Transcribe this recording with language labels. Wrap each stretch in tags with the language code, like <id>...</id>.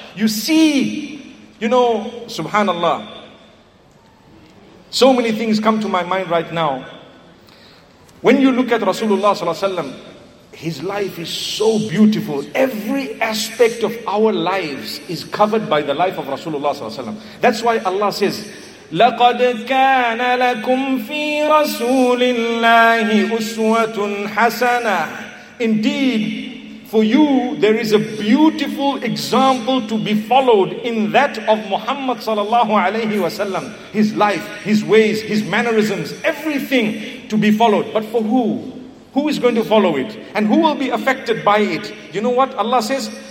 <en>You see, you know, subhanAllah. So many things come to my mind right now. When you look at Rasulullah sallallahu alaihi wasallam, his life is so beautiful. Every aspect of our lives is covered by the life of Rasulullah sallallahu alaihi wasallam. That's why Allah says,</en> <ar>لَقَدْ كَانَ لَكُمْ فِي رَسُولِ اللَّهِ أُسْوَةٌ حَسَنَةٌ.</ar> <en>Indeed, for you, there is a beautiful example to be followed in that of Muhammad sallallahu alayhi wa sallam. His life, his ways, his mannerisms, everything to be followed. But for who? Who is going to follow it? And who will be affected by it? You know what Allah says?</en>